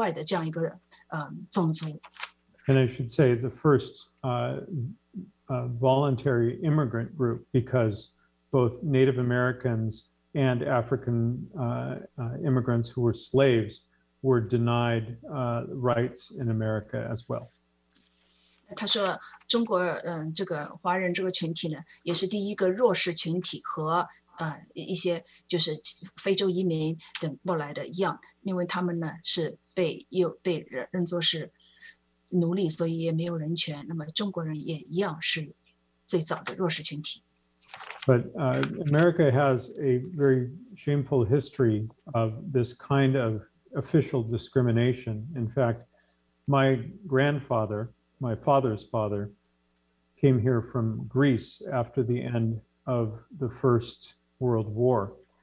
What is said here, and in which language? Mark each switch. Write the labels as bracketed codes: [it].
[en] And I should say the first voluntary immigrant group, because both Native Americans and African immigrants who were slaves were denied rights in America as well. [zh] 他说中国这个华人这个群体呢，也是第一个弱势群体和一些就是非洲移民等过来的一样，因为他们呢是被认作是 奴隶，所以也没有人权。那么中国人也一样是最早的弱势群体。 [en] But America has a very shameful history of this kind of official discrimination. In fact, my grandfather, my father's father, came here from Greece after the end of the First World War.